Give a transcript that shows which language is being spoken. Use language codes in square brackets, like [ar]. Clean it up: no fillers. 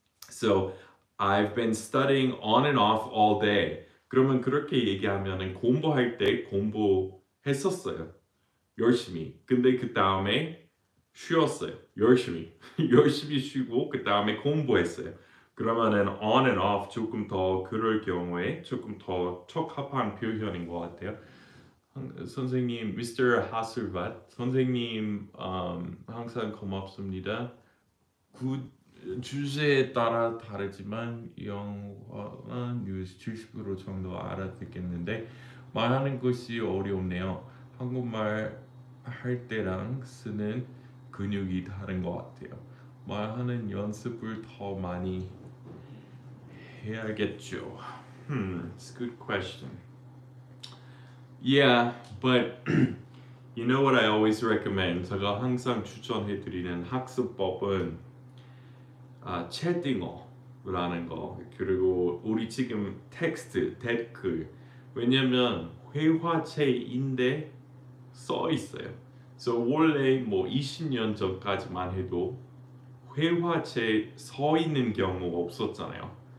[en] So I've been studying on and off all day. [ko] 그러면 그렇게 얘기하면은 공부할 때 공부했었어요. 열심히. 근데 그 다음에 쉬었어요. 열심히. 열심히 쉬고 그 다음에 공부했어요. 그러면은 [en] on and off [ko] 조금 더 그럴 경우에 조금 더 적합한 표현인 것 같아요. 선생님, Mr. Hasselbad, 선생님 항상 고맙습니다. 주제에 따라 다르지만 영어는 70% 정도 알아듣겠는데 말하는 것이 어렵네요. 한국말 할 때랑 쓰는 근육이 다른 것 같아요. 말하는 연습을 더 많이 해야겠죠. [en] It's a good question. Yeah, but you know what I always recommend? [ko] 제가 항상 추천해드리는 학습법은 채팅어라는 거. 그리고 우리 지금 텍스트, 댓글. 왜냐면 회화체인데 써 있어요. So 원래 뭐 20년 전까지만 해도 회화체 서 있는 경우가 없었잖아요.